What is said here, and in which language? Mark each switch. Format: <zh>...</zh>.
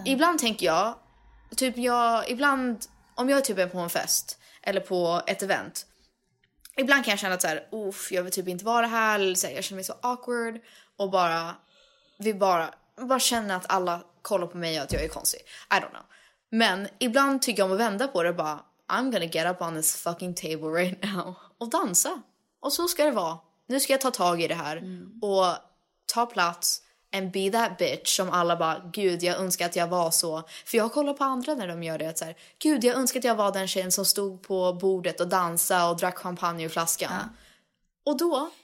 <sv>Ibland tänker jag, typ jag, ibland om jag typ är på en fest eller på ett event. Ibland kan jag känna att så här, uff, jag vill typ inte vara här, eller så här, jag känner mig så awkward. Och bara, vill bara känna att alla kollar på mig och att jag är konstig.</sv> <en>I don't know.</en> <sv>Men ibland tycker jag om att vända på det och bara...</sv> <en>I'm gonna get up on this fucking table right now.</en> <sv>Och dansa. Och så ska det vara. Nu ska jag ta tag i det här. Mm. Och ta plats.</sv> <en>And be that bitch</en> <sv>som alla bara... Gud, jag önskar att jag var så. För jag kollar på andra när de gör det. Så här, gud, jag önskar att jag var den tjejen som stod på bordet och dansade och drack champagne ur flaskan. Ja. Och då...</sv>